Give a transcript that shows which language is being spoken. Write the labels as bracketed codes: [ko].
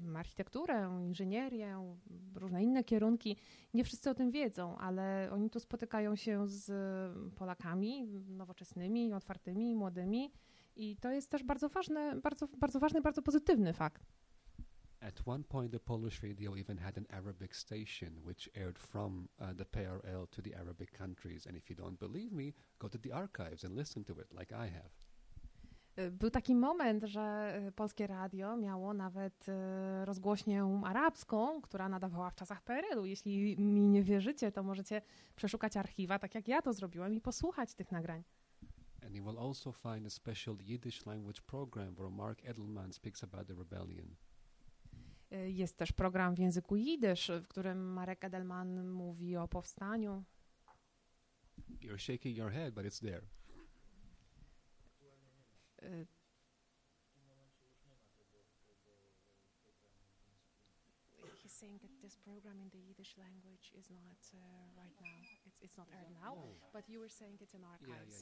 [pl] Architekturę, inżynierię, różne inne kierunki. Nie wszyscy o tym wiedzą, ale oni tu spotykają się z Polakami nowoczesnymi, otwartymi, młodymi. I to jest też bardzo ważne, bardzo, bardzo ważny, bardzo pozytywny fakt. [en] At one point the Polish radio even had an Arabic station which aired from the PRL to the Arabic countries. And if you don't believe me, go to the archives and listen to it like I have. [pl] Był taki moment, że polskie radio miało nawet rozgłośnię arabską, która nadawała w czasach PRL-u. Jeśli mi nie wierzycie, to możecie przeszukać archiwa, tak jak ja to zrobiłem, i posłuchać tych nagrań. [en] And you will also find a special Yiddish language program where Mark Edelman speaks about the rebellion. [pl] Jest też program w języku jidysz, w którym Marek Edelman mówi o powstaniu. [en] You're shaking your head, but it's there. He's saying that this program in the Yiddish language is not right now. It's not aired now, but you were saying it's in archives.